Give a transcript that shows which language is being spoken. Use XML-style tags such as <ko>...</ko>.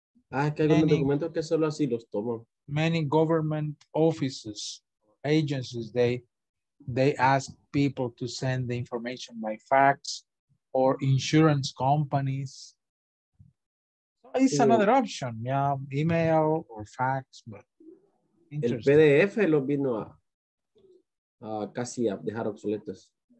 <es>Ah, que hay un documento que solo así los tomo.</es> <en>Many government offices, agencies, they ask people to send the information by fax, or insurance companies. It's another option, yeah, email or fax, but</en> <es>el PDF lo vino a casi a dejar obsoletos.</es>